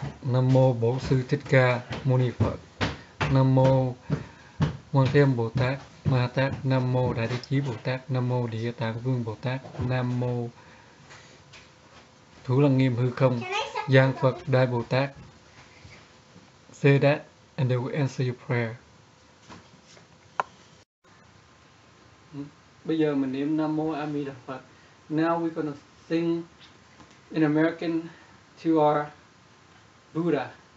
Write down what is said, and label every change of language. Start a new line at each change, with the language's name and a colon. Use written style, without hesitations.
Vietnamese: Nam mô Bổn Sư Thích Ca Mâu Ni Phật. Nam mô Quan Thế Âm Bồ Tát Ma Ha Tát. Nam mô Đại Thế Chí Bồ Tát. Nam mô Địa Tạng Vương Bồ Tát. Nam mô Thủ Lăng Nghiêm Hư Không Giang Phật Đại Bồ Tát.
English: Say that and they will answer your prayer.
Vietnamese: Bây giờ mình niệm Nam Mô A Di Đà Phật.
English: Now we're going to sing in American to our Buddha.